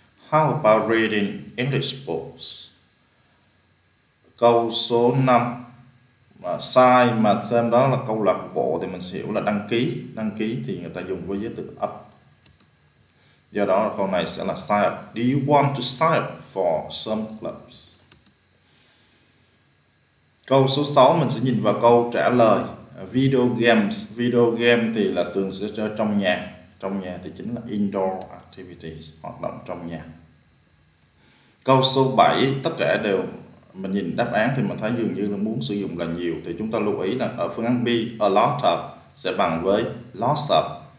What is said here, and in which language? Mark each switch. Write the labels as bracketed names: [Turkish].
[English] How about reading English books? [Vietnamese] Câu số 5. Mà sai mà xem đó là câu lạc bộ thì mình sẽ hiểu là đăng ký. Đăng ký thì người ta dùng với giới từ up. Do đó câu này sẽ là sign up. [English] Do you want to sign up for some clubs? [Vietnamese] Câu số 6 mình sẽ nhìn vào câu trả lời. Video games. Video game thì là thường sẽ chơi trong nhà. Trong nhà thì chính là indoor activities, hoạt động trong nhà. Câu số 7, tất cả đều mình nhìn đáp án thì mình thấy dường như là muốn sử dụng là nhiều, thì chúng ta lưu ý là ở phương án B, a lot of sẽ bằng với lots of.